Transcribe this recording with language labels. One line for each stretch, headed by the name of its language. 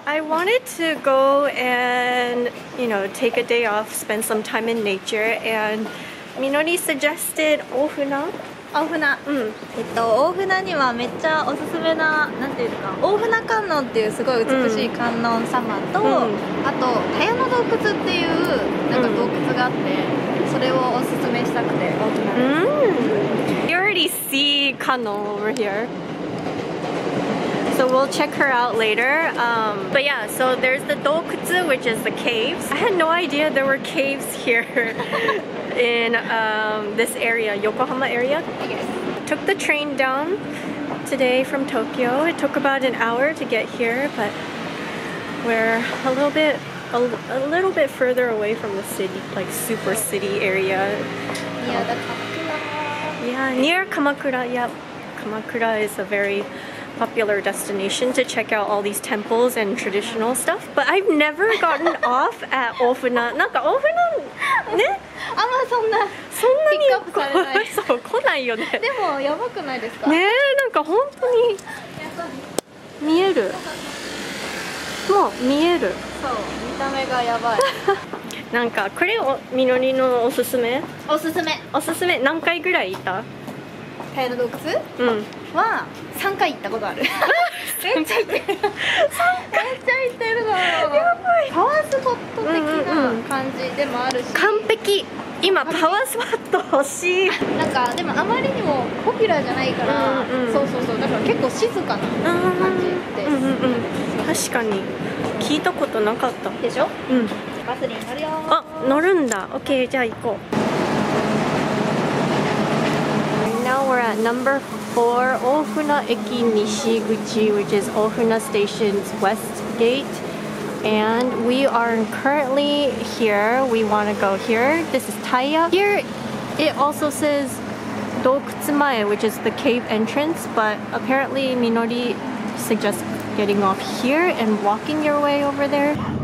English: I wanted to go and, you know, take a day off, spend some time in nature, and Minori suggested Ohuna. Ohuna.
Japanese: Ohuna にはめっちゃおすすめな、なんていうか、Ohuna観音っていうすごい美しい観音様と、あと、タヤの洞窟っていうなんか洞窟があって、それをおすすめしたくて、Ohuna
English: です。You already see 観音 over here. So we'll check her out later. But yeah, so there's the Dokutsu, which is the caves. I had no idea there were caves here in this area, Yokohama area. Yes. Took the train down today from Tokyo. It took about an hour to get here, but we're a little bit further away from the city, like super city area. Near Kamakura. Yeah, near Kamakura, yep. Kamakura is a very... popular destination to check out all these temples and traditional stuff, but I've never gotten off at Ofuna.
Japanese: なんか Ofuna ね、あんまそんなそんなにピックアップされない。そう、来ないよね。でもやばくないですか？ねえ、なんか本当に見える。もう見える。そう、見た目がやばい。なんかこれをみのりのおすすめ？おすすめ。おすすめ何回ぐらいいた？タイの洞窟？うん。は3回行ったことある。めっちゃ行ってる。めっちゃ行ってるの。やばい。パワースポット的な感じでもあるし。完璧。今パワースポット欲しい。なんかでもあまりにもポピュラーじゃないから、そうそうそう。だから結構静かな感じです。確かに聞いたことなかった。でしょ？うん。バスに乗るよ。あ、乗るんだ。オッケー、じゃあ行こう。
English: We're at number 4, Ohuna Eki Nishiguchi, which is Ohuna Station's west gate. And we are currently here. We want to go here. This is Taiya. Here it also says Dokutsumae, which is the cave entrance, but apparently Minori suggests getting off here and walking your way over there.